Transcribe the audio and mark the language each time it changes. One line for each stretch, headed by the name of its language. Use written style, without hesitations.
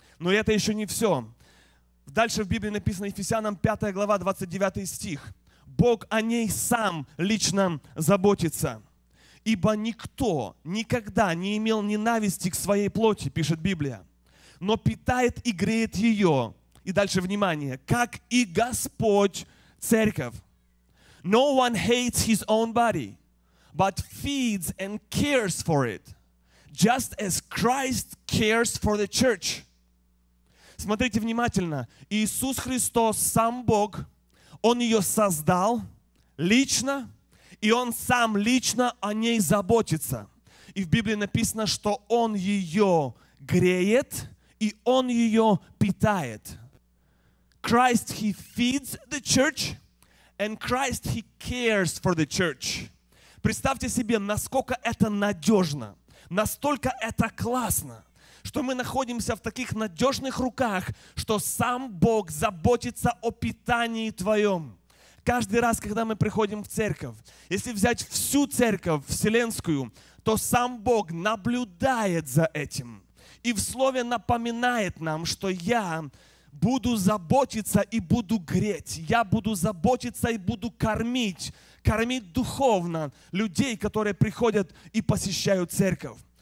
Russian: Но это еще не все. Дальше в Библии написано Ефесянам 5 глава 29 стих. Бог о ней сам лично заботится. «Ибо никто никогда не имел ненависти к своей плоти», пишет Библия, «но питает и греет ее». И дальше внимание. «Как и Господь церковь».
English: «No one hates his own body, but feeds and cares for it, just as Christ cares for the church».
Russian: Смотрите внимательно. Иисус Христос, сам Бог, Он ее создал лично, и Он сам лично о ней заботится. И в Библии написано, что Он ее греет, и Он ее питает.
English: Christ, He feeds the church, and Christ, He cares for the church.
Russian: Представьте себе, насколько это надежно, настолько это классно, что мы находимся в таких надежных руках, что сам Бог заботится о питании твоем. Каждый раз, когда мы приходим в церковь, если взять всю церковь вселенскую, то сам Бог наблюдает за этим и в Слове напоминает нам, что я буду заботиться и буду греть, я буду заботиться и буду кормить духовно людей, которые приходят и посещают церковь.